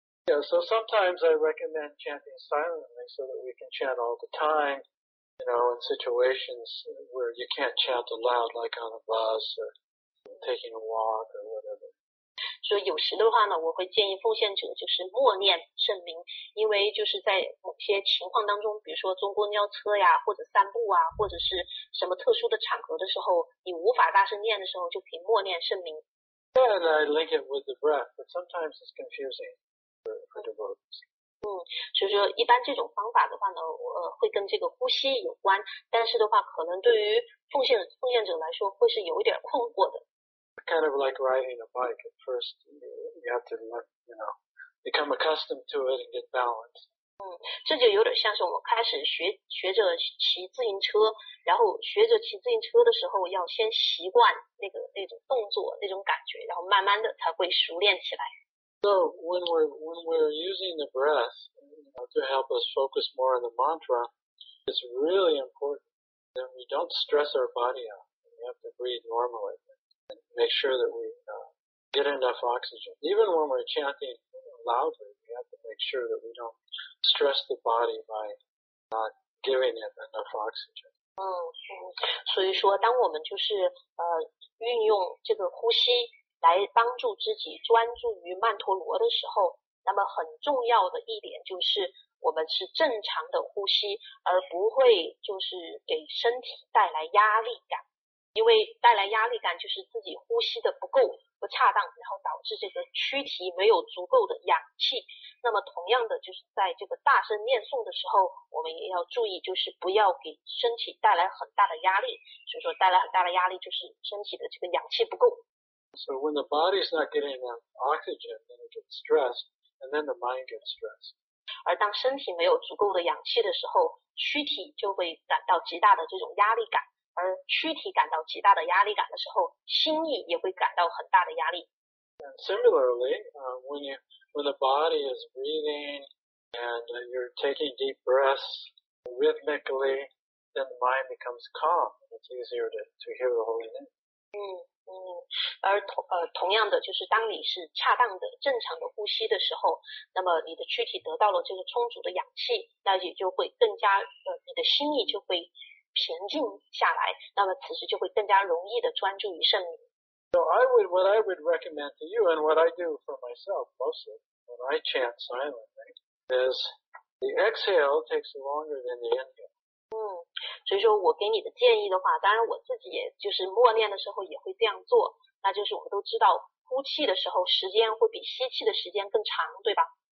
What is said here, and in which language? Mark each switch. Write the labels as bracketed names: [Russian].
[English] Yeah, so sometimes I recommend chanting silently so that we can chant all the time, you know, in situations where you can't chant aloud, like on a bus or taking a walk or whatever. [Chinese] 所以有时的话呢我会建议奉献者就是默念圣名因为就是在某些情况当中比如说坐公交车呀或者散步啊或者是什么特殊的场合的时候你无法大声念的时候就可以默念圣名 [English] Yeah, and I link it with the breath but sometimes it's confusing for devotees [Chinese] 所以说一般这种方法的话呢会跟这个呼吸有关但是的话可能对于奉献者来说会是有一点困惑的 [English] Kind of like riding a bike at first, you have to learn, you know, become accustomed to it and get balance. [Chinese] 这就有点像是我们开始学着骑自行车，然后学着骑自行车的时候，要先习惯那种动作，那种感觉，然后慢慢的才会熟练起来。 [English] So when we're using the breath, you know, to help us focus more on the mantra, it's really important that we don't stress our body out. We have to breathe normally. Make sure that we get enough oxygen. Even when we're chanting loudly, we have to make sure that we don't stress the body by not giving it enough oxygen. [Chinese] 所以说当我们就是运用这个呼吸来帮助自己专注于曼陀罗的时候，那么很重要的一点就是我们是正常的呼吸，而不会就是给身体带来压力感。因为带来压力感就是自己呼吸的不够不恰当然后导致这个躯体没有足够的氧气那么同样的就是在这个大声念诵的时候我们也要注意就是不要给身体带来很大的压力所以说带来很大的压力就是身体的这个氧气不够 [English] So when the body is not getting enough oxygen then it gets stressed and then the mind gets stressed [Chinese] 而当身体没有足够的氧气的时候躯体就会感到极大的这种压力感而躯体感到极大的压力感的时候，心意也会感到很大的压力。 [English] And similarly, when the body is breathing and you're taking deep breaths rhythmically, then the mind becomes calm. It's easier to hear the holy name. [Chinese] 而同样的，就是当你是恰当的、正常的呼吸的时候，那么你的躯体得到了这个充足的氧气，那也就会更加你的心意就会。平静下来，那么此时就会更加容易的专注于圣名。 [English] So what I would recommend to you and what I do for myself mostly when I chant silently is the exhale takes longer than the inhale. [Chinese] 所以说我给你的建议的话，当然我自己也就是默念的时候也会这样做。那就是我们都知道，呼气的时候时间会比吸气的时间更长，对吧